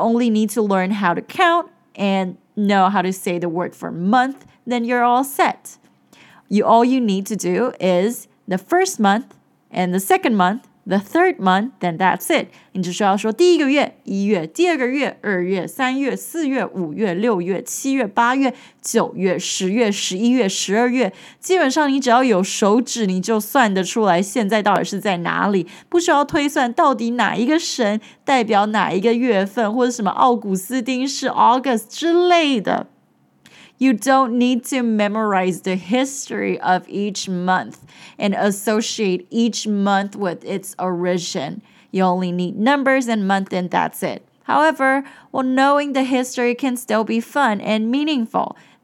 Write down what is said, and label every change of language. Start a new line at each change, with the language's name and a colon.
English: only need to learn how to count and know how to say the word for month, then you're all set. All you need to do is the first month and the second month, the third month, then that's it.
Chinese: 你只需要说第一个月,一月,第二个月,二月,三月,四月,五月,六月,七月,八月,九月,十月,十一月,十二月。基本上你只要有手指,你就算得出来现在到底是在哪里。不需要推算到底哪一个神代表哪一个月份,或者什么奥古斯丁是 August 之类的。
English: You don't need to memorize the history of each month and associate each month with its origin. You only need numbers and month and that's it. However, well, knowing the history can still be fun and meaningful.